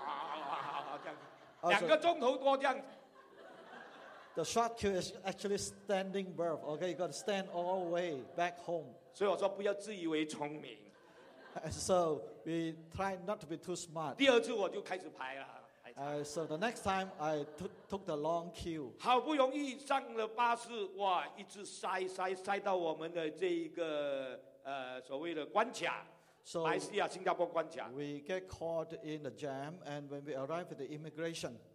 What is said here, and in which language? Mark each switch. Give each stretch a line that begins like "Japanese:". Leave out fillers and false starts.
Chinese: 我原来短的是站住，拉着那个拉环，一直这样，两个钟头多这样。
English: The short queue is actually standing berth. Okay, you got to stand all the way back home.
Chinese: 所以我说不要自以为聪明。
English: So we try not to be too smart.
Chinese: 第二次我就开始排了。
English: So the next time I took the long queue.
Chinese: 好不容易上了巴士，哇，一直塞到我们的这一个所谓的关卡。
English: So
Chinese: 马来西亚新加坡关卡。
English: We get caught in the jam, and when we arrive at the immigration.